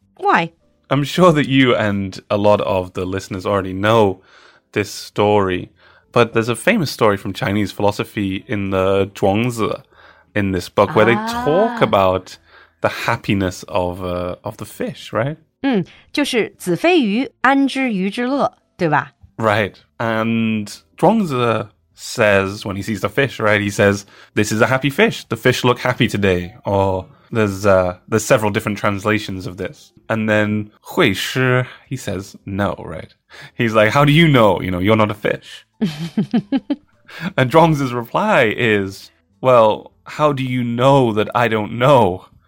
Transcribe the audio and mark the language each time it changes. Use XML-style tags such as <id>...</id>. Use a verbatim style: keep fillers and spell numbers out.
<en>Why? I'm sure that you and a lot of the listeners already know this story. But there's a famous story from Chinese philosophy in the Zhuangzi, in this book, where ah. they talk about the happiness of uh, of the fish, right?</en> <zh>嗯，就是子非鱼，安知鱼之乐，对吧？</zh> <en>Right. And Zhuangzi says, when he sees the fish, right, he says, this is a happy fish. The fish look happy today. Or there's, uh, there's several different translations of this. And then Hui Shi, he says, no, right? He's like, how do you know? You know, you're not a fish. And Zhuangzi's reply is, well, how do you know that I don't know?</en>